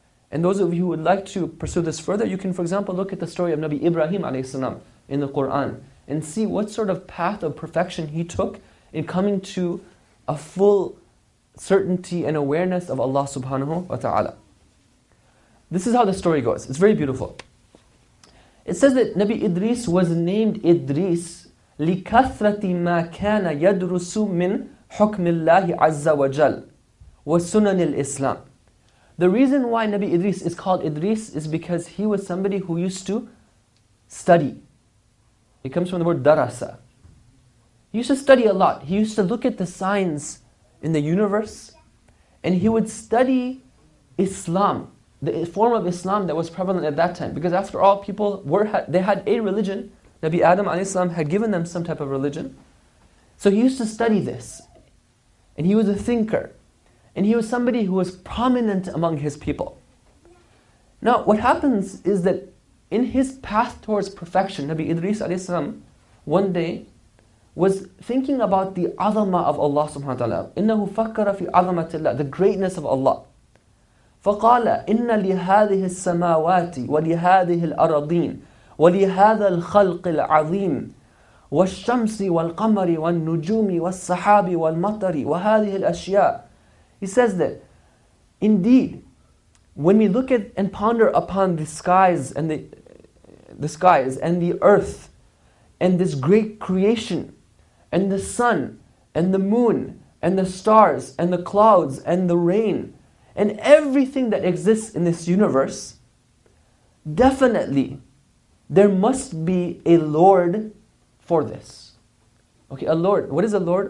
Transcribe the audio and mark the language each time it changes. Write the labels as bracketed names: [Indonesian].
[English] And those of you who would like to pursue this further, you can, for example, look at the story of Nabi Ibrahim alayhi salam in the Quran and see what sort of path of perfection he took in coming to a full certainty and awareness of Allah subhanahu wa ta'ala. This is how the story goes. It's very beautiful. It says that Nabi Idris was named Idris [Arabic] لِكَثْرَةِ مَا كَانَ يَدْرُسُ مِنْ حُكْمِ اللَّهِ عَزَّ وَجَلْ وَسُنَنِ الْإِسْلَامِ. [English] The reason why Nabi Idris is called Idris is because he was somebody who used to study. It comes from the word darasa. He used to study a lot. He used to look at the signs in the universe, and he would study Islam, the form of Islam that was prevalent at that time. Because after all, people had a religion. Nabi Adam alayhi salam had given them some type of religion. So he used to study this. And he was a thinker. And he was somebody who was prominent among his people. Now, what happens is that in his path towards perfection, Nabi Idris alayhi salam, one day, was thinking about the azama of Allah subhanahu wa ta'ala. [Arabic] إِنَّهُ فَكَّرَ فِي عَظَمَةِ اللَّهِ, [English] the greatness of Allah. [Arabic] فَقَالَ إِنَّ لِهَذِهِ السَّمَاوَاتِ وَلِهَذِهِ الْأَرَضِينَ وَلِهَذَا الْخَلْقِ الْعَظِيمِ والشمس والقمر والنجوم والسحاب والمطر وهذه الأشياء. [English] He says that, indeed, when we look at and ponder upon the skies and the skies and the earth and this great creation and the sun and the moon and the stars and the clouds and the rain and everything that exists in this universe, definitely there must be a Lord for this. Okay, a Lord. What is a Lord?